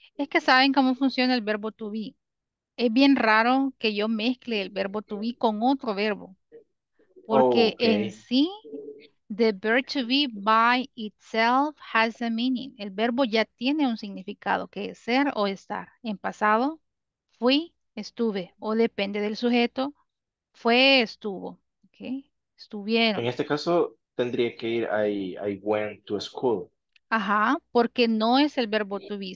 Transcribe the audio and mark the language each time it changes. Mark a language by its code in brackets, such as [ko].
[es] Es que saben cómo funciona el verbo to be. Es bien raro que yo mezcle el verbo to be con otro verbo. Porque en [en] Okay. sí, the verb to be by itself has a meaning. [es] El verbo ya tiene un significado, que es ser o estar. En pasado, fui, estuve. O depende del sujeto, fue, estuvo. ¿Okay? En Estuvieron. este caso tendría que ir [en] I went to school. [es] Ajá, porque no es el verbo to be.